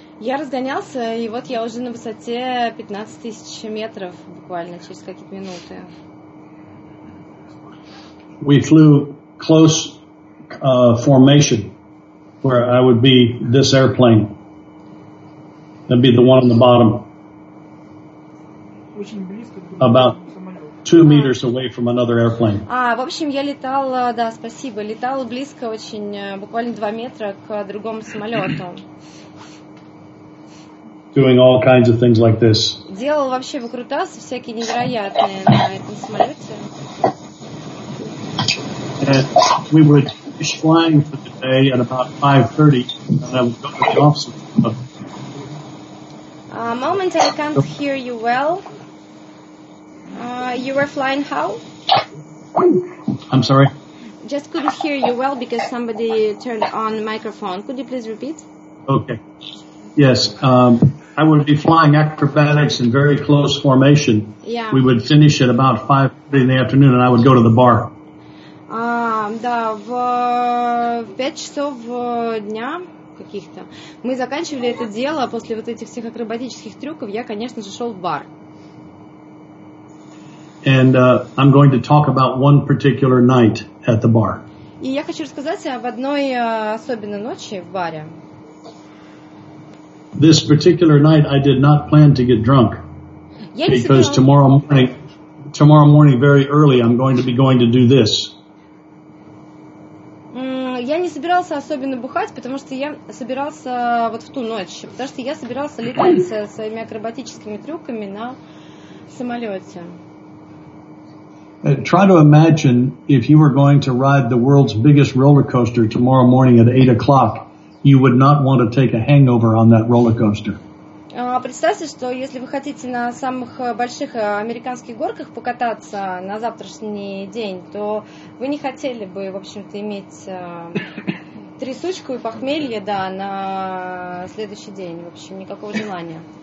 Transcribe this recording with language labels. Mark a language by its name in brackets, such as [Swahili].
[Russian] Я разгонялся, и вот я уже на высоте 15,000 метров буквально через какие-то минуты. [English] We flew close formation, where I would be this airplane. That'd be the one on the bottom. About 2 meters away from another airplane. [Russian] В общем, я летал, да, спасибо, летал близко очень, буквально 2 метра к другому самолету. [English] Doing all kinds of things like this. [Russian] Делал вообще выкрутасы всякие невероятные на этом самолете. [English] And we would finish flying for the day at about 5:30, and I would go to the office. A moment, I can't hear you well. You were flying how? I'm sorry? Just couldn't hear you well because somebody turned on the microphone. Could you please repeat? Okay. Yes. I would be flying acrobatics in very close formation. Yeah. We would finish at about 5:30 in the afternoon, and I would go to the bar. [Russian] Да, в 5 часов дня каких-то мы заканчивали это дело после вот этих всех акробатических трюков. Я, конечно же, шел в бар. [English] And I'm going to talk about one particular night at the bar. [Russian] И я хочу рассказать об одной особенной ночи в баре. [English] This particular night I did not plan to get drunk. [Russian] Я [English] because [Russian] собирала... [English] tomorrow morning very early I'm going to be going to do this. [Russian] Я не собирался особенно бухать, потому что я собирался вот в ту ночь, потому что я собирался летать со своими акробатическими трюками на самолете. [English] Try to imagine if you were going to ride the world's biggest roller coaster tomorrow morning at 8:00, you would not want to take a hangover on that roller coaster. [Russian] Представьте, что если вы хотите на самых больших американских горках покататься на завтрашний день, то вы не хотели бы, в общем-то, иметь трясучку и похмелье, да, на следующий день. В общем, никакого желания.